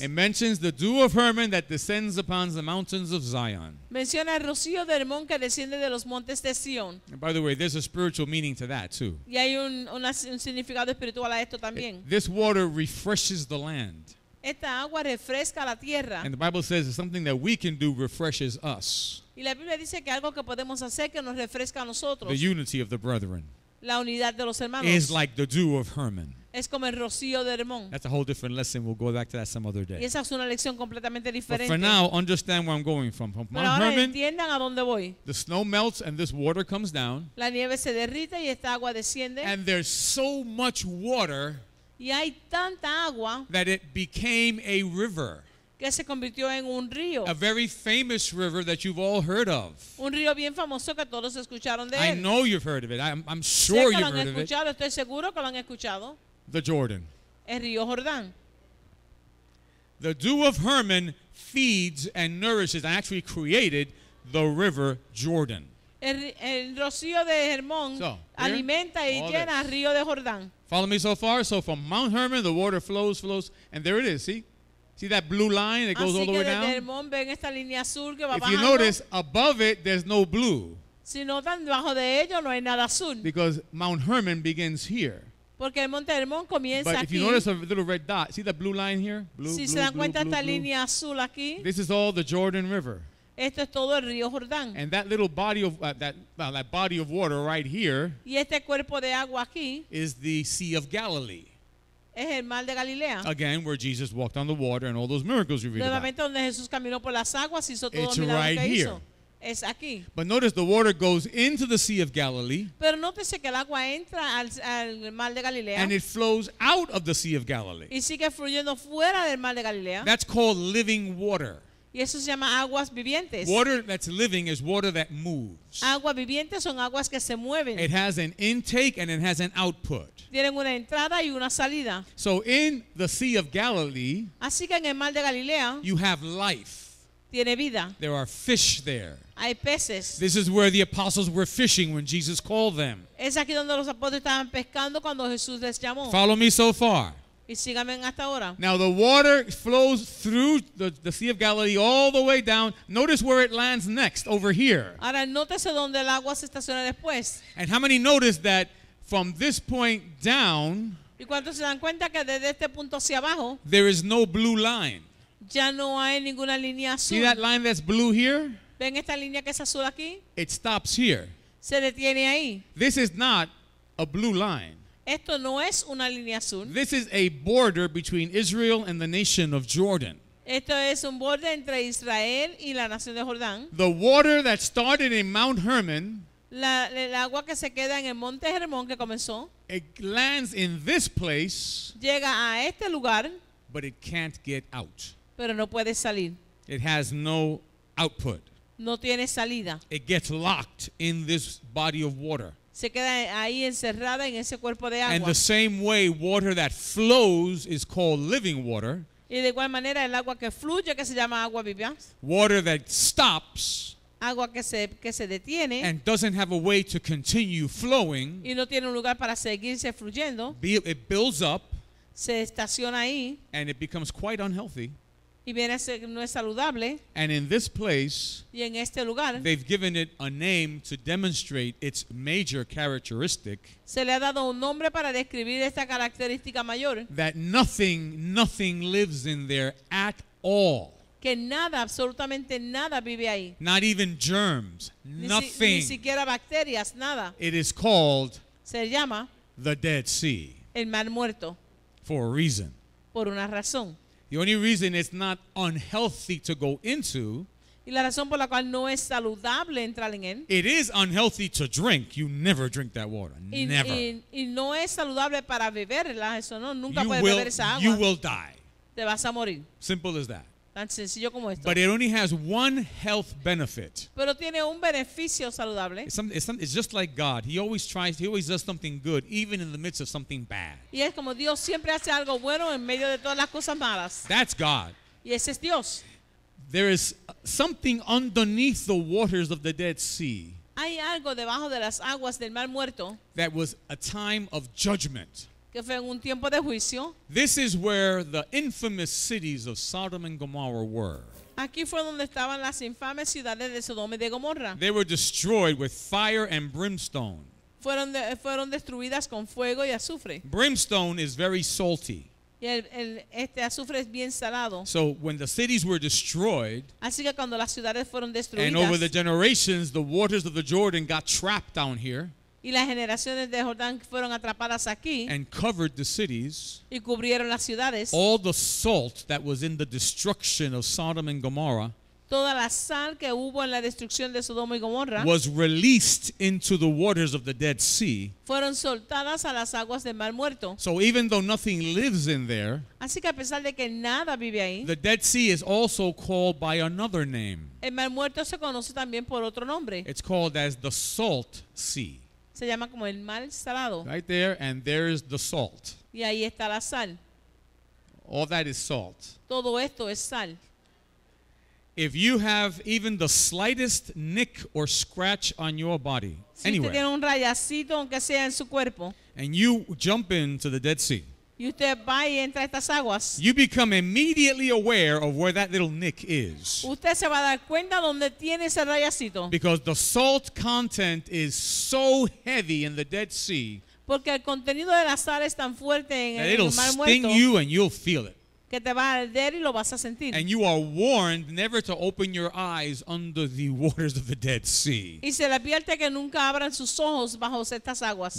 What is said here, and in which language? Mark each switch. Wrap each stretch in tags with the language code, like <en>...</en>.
<en>It mentions the dew of Hermon that descends upon the mountains of Zion.</en> <es>Menciona el rocío de Hermón que desciende de los montes de Sion.</es> <en>And by the way, there's a spiritual meaning to that too.</en> <es>Y hay un significado espiritual a esto también.</es> <en>This water refreshes the land.</en> <es>Esta agua refresca la tierra.</es> <en>And the Bible says it's something that we can do refreshes us.</en> <es>Y la Biblia dice que algo que podemos hacer que nos refresca a nosotros.</es> <en>The unity of the brethren.</en> <es>La unidad de los hermanos</es> <en>is like the dew of Hermon.</en> <es>Es como el rocío de Hermón.</es> <en>That's a whole different lesson. We'll go back to that some other day.</en> <es>Y esa es una lección completamente diferente.</es> <en>But for now, understand where I'm going from. From Mount Hermon,</en> <es>entiendan a dónde voy.</es> <en>The snow melts and this water comes down.</en> <es>La nieve se derrite y esta agua desciende.</es> <en>And there's so much water.</en> <es>Y hay tanta agua.</es> <en>That it became a river.</en> <es>Que se convirtió en un río.</es> <en>A very famous river that you've all heard of.</en> <es>Un río bien famoso que todos escucharon de él.</es> <en>I know you've heard of it. I'm sure you've heard</en> <es>escuchado.</es> <en>Of it.</en> <es>Estoy seguro que lo han escuchado.</es> <en>The Jordan.</en> <es>El río Jordán.</es> <en>The dew of Hermon feeds and nourishes and actually created the river Jordan.</en> <es>El rocío de Hermón</es> <en>so,</en> <es>alimenta y llena el río de Jordán.</es> <en>Follow me so far. So from Mount Hermon, the water flows, and there it is, see? See that blue line that goes</en> <es>así</es> <en>all the</en> <es>que</es> <en>way down?</en> <es>El mon ven esta línea azul que va</es> <en>If</en> <es>bajando.</es> <en>You notice, above it, there's no blue.</en> <es>Si notan, debajo de ello no hay nada azul.</es> <en>Because Mount Hermon begins here.</en> <es>Porque el Monte Hermón comienza</es> <en>But</en> <es>aquí.</es> <en>If you notice a little red dot, see the blue line here? Blue,</en> <es>si</es> <en>blue,</en> <es>se dan cuenta</es> <en>blue,</en> <es>esta</es> <en>blue,</en> <es>línea</es> <en>blue.</en> <es>Azul aquí.</es> <en>This is all the Jordan River.</en> <es>Esto es todo el río Jordán.</es> <en>And that little body of that body of water right here.</en> <es>Y este cuerpo de agua aquí.</es> <en>Is the Sea of Galilee.</en> <es>Es el Mar de Galilea.</es> <en>Again, where Jesus walked on the water and all those miracles you read about.</en> <es>Nuevamente donde Jesús caminó por las aguas y hizo todo lo que hizo.</es> <en>It's right here.</en> <es>Es aquí.</es> <en>But notice the water goes into the Sea of Galilee.</en> <es>Pero nótese que el agua entra al Mar de Galilea.</es> <en>And it flows out of the Sea of Galilee.</en> <es>Y sigue fluyendo fuera del Mar de Galilea.</es> <en>That's called living water.</en> <es>Y eso se llama aguas vivientes.</es> <en>Water that's living is water that moves.</en> <es>Aguas vivientes son aguas que se mueven.</es> <en>It has an intake and it has an output.</en> <es>Tienen una entrada y una salida.</es> <en>So in the Sea of Galilee,</en> <es>así que en el Mar de Galilea,</es> <en>you have life.</en> <es>Tiene vida.</es> <en>There are fish there.</en> <es>Hay peces.</es> <en>This is where the apostles were fishing when Jesus called them.</en> <es>Es aquí donde los apóstoles estaban pescando cuando Jesús les llamó.</es> <en>Follow me so far.</en> <es>Y síganme hasta ahora.</es> <en>Now the water flows through the Sea of Galilee all the way down. Notice where it lands next, over here.</en> <es>Ahora nótese donde el agua se estaciona después.</es> <en>And how many notice that from this point down,</en> <es>¿y cuántos se dan cuenta que desde este punto hacia abajo,</es> <en>there is no blue line?</en> <es>Ya no hay ninguna línea azul.</es> <en>See that line that's blue here?</en> <es>¿Ven esta línea que es azul aquí?</es> <en>It stops here.</en> <es>Se detiene ahí.</es> <en>This is not a blue line.</en> <es>Esto no es una línea azul.</es> <en>This is a border between Israel and the nation of Jordan.</en> <es>Esto es un borde entre Israel y la nación de Jordán.</es> <en>The water that started in Mount Hermon,</en> <es>el agua que se queda en el Monte Hermón que comenzó,</es> <en>it lands in this place,</en> <es>llega a este lugar,</es> <en>but it can't get out.</en> <es>Pero no puede salir.</es> <en>It has no output.</en> <es>No tiene salida.</es> <en>It gets locked in this body of water.</en> <es>Se queda ahí encerrada en ese cuerpo de agua.</es> <en>And the same way water that flows is called living water.</en> <es>Y de igual manera el agua que fluye que se llama agua viviente.</es> <en>Water that stops.</en> <es>Agua que se detiene.</es> <en>And doesn't have a way to continue flowing.</en> <es>Y no tiene un lugar para seguirse fluyendo.</es> <en>It builds up.</en> <es>Se estaciona ahí.</es> <en>And it becomes quite unhealthy.</en> <es>Y viene a ser, no es saludable.</es> <en>And in this place,</en> <es>y en este lugar,</es> <en>they've given it a name to demonstrate its major characteristic.</en> <es>Se le ha dado un nombre para describir esta característica mayor.</es> <en>That nothing lives in there at all.</en> <es>Que nada, absolutamente nada vive ahí.</es> <en>Not even germs, nothing.</en> <es>Ni siquiera bacterias, nada.</es> <en>It is called,</en> <es>se llama,</es> <en>the Dead Sea.</en> <es>El Mar Muerto.</es> <en>For a reason.</en> <es>Por una razón.</es> <en>The only reason it's not unhealthy to go into.</en> <es>Y la razón por la cual no es saludable entrar en él.</es> <en>It is unhealthy to drink. You never drink that water. Never.</en> <es>Y no es saludable para beberla. Eso no. Nunca</es> <en>you</en> <es>puedes</es> <en>will,</en> <es>beber esa agua.</es> <en>You will die.</en> <es>Te vas a morir.</es> <en>Simple as that.</en> <es>Tan sencillo como esto.</es> <en>But it only has one health benefit.</en> <es>Pero tiene un beneficio saludable.</es> <en>It's just like God. He always does something good, even in the midst of something bad.</en> <es>Y es como Dios siempre hace algo bueno en medio de todas las cosas malas.</es> <en>That's God.</en> <es>Y ese es Dios.</es> <en>There is something underneath the waters of the Dead Sea.</en> <es>Hay algo debajo de las aguas del Mar Muerto.</es> <en>That was a time of judgment.</en> <es>Que fue en un tiempo de juicio.</es> <en>This is where the infamous cities of Sodom and Gomorrah were.</en> <es>Aquí fue donde estaban las infames ciudades de Sodoma y de Gomorra.</es> <en>They were destroyed with fire and brimstone.</en> <es>Fueron destruidas con fuego y azufre.</es> <en>Brimstone is very salty.</en> <es>Y este azufre es bien salado.</es> <en>So when the cities were destroyed,</en> <es>así que cuando las ciudades fueron destruidas,</es> <en>and over the generations, the waters of the Jordan got trapped down here.</en> <es>Y las generaciones de Jordán fueron atrapadas aquí.</es> <en>And covered the cities.</en> <es>Y cubrieron las ciudades.</es> <en>All the salt that was in the destruction of Sodom and Gomorrah.</en> <es>Toda la sal que hubo en la destrucción de Sodoma y Gomorra.</es> <en>Was released into the waters of the Dead Sea.</en> <es>Fueron soltadas a las aguas del Mar Muerto.</es> <en>So even though nothing lives in there.</en> <es>Así que a pesar de que nada vive ahí.</es> <en>The Dead Sea is also called by another name.</en> <es>El Mar Muerto se conoce también por otro nombre.</es> <en>It's called as the Salt Sea.</en> <es>Se llama como el mar salado.</es> <en>Right there, and there is the salt.</en> <es>Y ahí está la sal.</es> <en>All that is salt.</en> <es>Todo esto es sal.</es> <en>If you have even the slightest nick or scratch on your body,</en> <es>si</es> <en>anywhere,</en> <es>usted tiene un rayacito, aunque sea en su cuerpo,</es> <en>and you jump into the Dead Sea,</en> <es>Y usted va y entra a estas aguas.</es> <en>You become immediately aware of where that little nick is.</en> <es>Usted se va a dar cuenta donde tiene ese rayacito.</es> <en>Because the salt content is so heavy in the Dead Sea.</en> <es>Porque el contenido de la sal es tan fuerte en el mar muerto.</es> <en>That it'll sting you and you'll feel it.</en> <es>Que te va a arder y lo vas a sentir.</es> <en>And you are warned never to open your eyes under the waters of the Dead Sea.</en> <es>Y se le advierte que nunca abran sus ojos bajo estas aguas.</es>